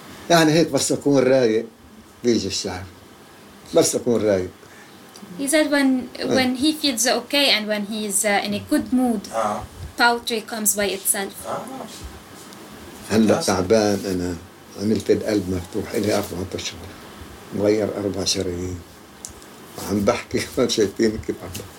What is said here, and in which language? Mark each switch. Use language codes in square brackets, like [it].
[ar] يعني هيك بس رايق بيجي الشعر. بس رايق. [en] He said when he feels okay and when he's in a good mood, poetry comes by itself. [ar] هلا تعبان أنا عملت القلب مفتوح إلي 14 مغير 14 عم بحكي ما شايفين كيف عم